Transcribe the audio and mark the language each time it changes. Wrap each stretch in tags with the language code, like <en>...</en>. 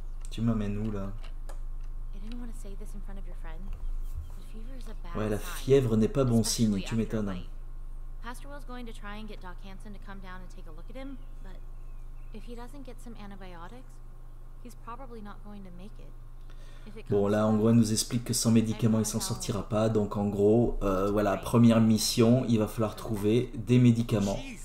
<fr>Tu m'amènes où là? Ouais, la fièvre n'est pas bon signe, tu m'étonnes.</fr> <en>Pastor Will's going to try and get Doc Hansen to come down and take a look at him, but if he doesn't get some antibiotics, he's probably not going to make it.</en> <fr>Bon, là, en gros, elle nous explique que sans médicaments, il s'en sortira pas. Donc, en gros, voilà, première mission, il va falloir trouver des médicaments.</fr>